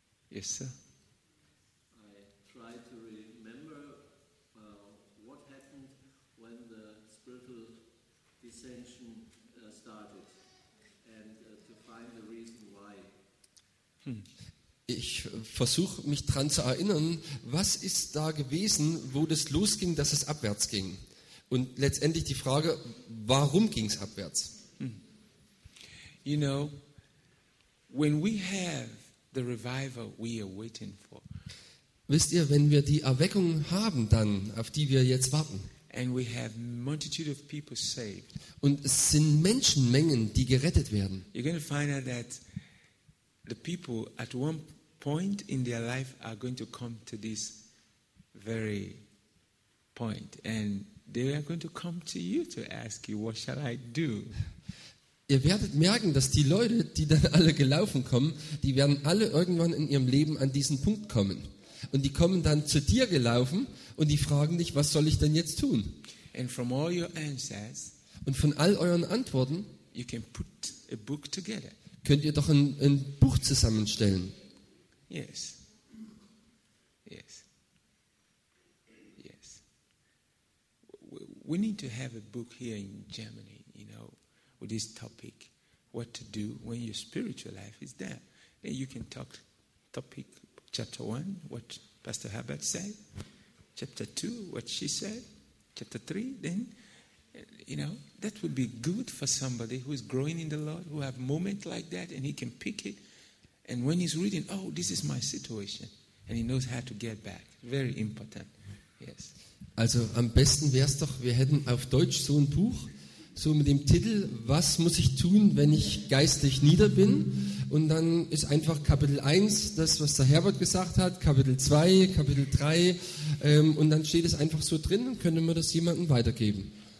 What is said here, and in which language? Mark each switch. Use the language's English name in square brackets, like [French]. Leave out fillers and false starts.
[English] Yes, sir. I try to remember what happened when the spiritual dissension started and to find the reason why. [German] Ich versuche mich daran zu erinnern, was ist da gewesen, wo das losging, dass es abwärts ging? Und letztendlich die Frage, warum ging es abwärts? [English] You know, when we have the revival we are waiting for. [German] Wisst ihr, wenn wir die Erweckung haben, dann auf die wir jetzt warten. [English] And we have multitude of people saved. [German] Und es sind Menschenmengen, die gerettet werden. [English] You're going to find out that the people at one point in their life are going to come to this very point, and they are going to come to you to ask you, what shall I do? [German] Ihr werdet merken, dass die Leute, die dann alle gelaufen kommen, die werden alle irgendwann in ihrem Leben an diesen Punkt kommen. Und die kommen dann zu dir gelaufen und die fragen dich, was soll ich denn jetzt tun? [English] And from all your answers, [German] und von all euren Antworten, [English] you can put a book together. [German] Könnt ihr doch ein Buch zusammenstellen. [English] Yes. Yes. Yes. We need to have a book here in Germany, you know. With this topic, what to do when your spiritual life is there. Then you can talk topic chapter 1, what Pastor Herbert said, chapter 2, what she said, chapter 3, then, you know, that would be good for somebody who is growing in the Lord, who have moments like that, and he can pick it, and when he's reading, oh, this is my situation, and he knows how to get back. Very important. Yes. [German] Also, am besten wär's doch, wir hätten auf Deutsch so ein Buch, so mit dem Titel, was muss ich tun, wenn ich geistlich nieder bin? Und dann ist einfach Kapitel 1 das, was der Herbert gesagt hat, Kapitel 2, Kapitel 3 und dann steht es einfach so drin und können wir das jemandem weitergeben.